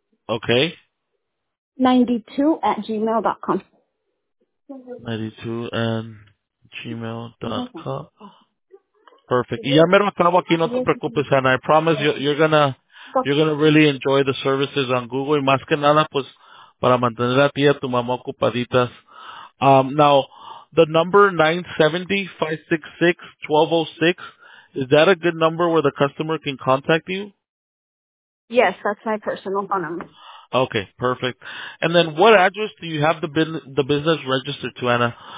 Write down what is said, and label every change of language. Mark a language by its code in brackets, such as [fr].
[en] Okay. 92@gmail.com. 92@gmail.com. [es] Perfect. Y ya me lo acabo aquí, no te preocupes, Ana. [en] I promise you're gonna, You're going to really enjoy the services on Google. [es] Y más que nada, pues, para mantener a ti y a tu mamá ocupaditas. [en] Now, the number 970-566-1206, is that a good number where the customer can contact you? Yes, that's my personal phone number. Okay, perfect. And then what address do you have the business registered to, Anna?